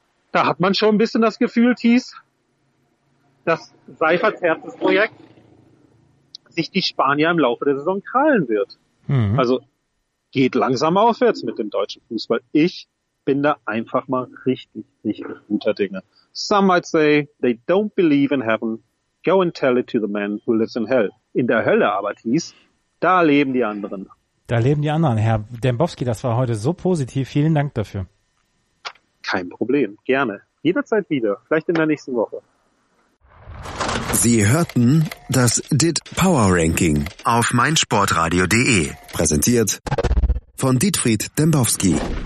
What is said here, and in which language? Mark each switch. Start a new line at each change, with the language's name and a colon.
German: Da hat man schon ein bisschen das Gefühl, Thies, dass Seiferts Herzensprojekt sich die Spanier im Laufe der Saison krallen wird. Mhm. Also geht langsam aufwärts mit dem deutschen Fußball. Ich bin da einfach mal richtig, richtig guter Dinge.
English: Some might say they don't believe in heaven. Go and tell it to the man who lives in hell.
German: In der Hölle aber, hieß, da leben die anderen. Da leben die anderen. Herr Dembowski, das war heute so positiv. Vielen Dank dafür. Kein Problem. Gerne. Jederzeit wieder. Vielleicht in der nächsten Woche. Sie hörten das DIT Power Ranking auf meinsportradio.de. Präsentiert von Dietfried Dembowski.